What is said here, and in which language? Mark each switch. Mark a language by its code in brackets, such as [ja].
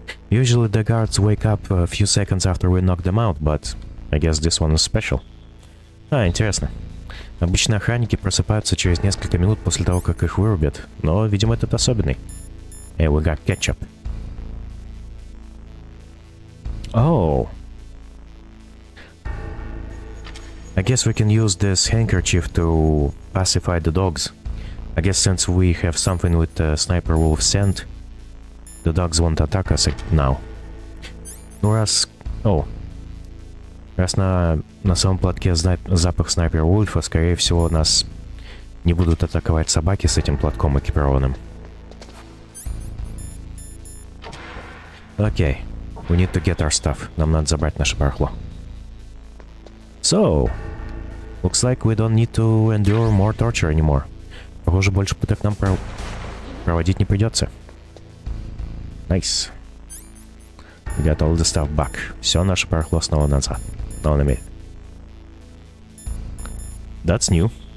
[en] Usually the guards wake up a few seconds after we knock them out, but I guess this one is special. [ru] А, интересно. Обычно охранники просыпаются через несколько минут после того, как их вырубят, но, видимо, этот особенный. [en] Hey, we got ketchup. Oh. I guess we can use this handkerchief to pacify the dogs. I guess since we have something with the Sniper Wolf scent, the dogs won't attack us now. [ru] Ну раз... О. Раз на самом платке запах Снайпер Вульфа, скорее всего, нас не будут атаковать собаки с этим платком экипированным. [en] Окей. We need to get our stuff. [ru] Нам надо забрать наше барахло. [en] So. Looks like we don't need to endure more torture anymore. [ru] Похоже, больше пыток нам проводить не придется. [en] Nice. We got all the stuff back. [ru] Все наше барахло снова назад. [en] No, I mean. That's new.